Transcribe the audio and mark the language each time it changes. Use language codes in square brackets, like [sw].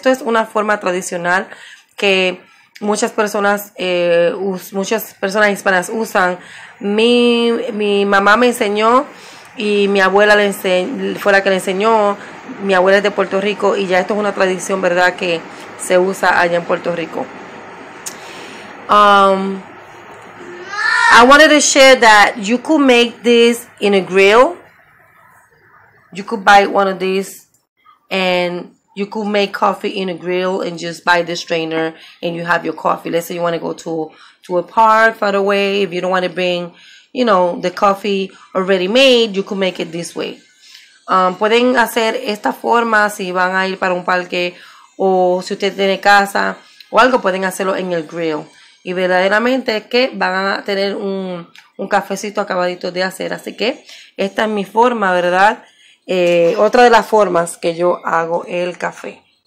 [es] Esto es una forma tradicional que muchas personas hispanas usan. Mi mamá me enseñó y mi abuela fue la que le enseñó. Mi abuela es de Puerto Rico y ya esto es una tradición, ¿verdad?, que se usa allá en Puerto Rico. [en] I wanted to share that you could make this in a grill. You could buy one of these and you could make coffee in a grill and just buy the strainer and you have your coffee. Let's say you want to go to a park far away. If you don't want to bring, you know, the coffee already made, you could make it this way. [es] Pueden hacer esta forma si van a ir para un parque o si usted tiene casa o algo, pueden hacerlo en el grill. Y verdaderamente es que van a tener un cafecito acabadito de hacer. Así que esta es mi forma, ¿verdad? Otra de las formas que yo hago el café.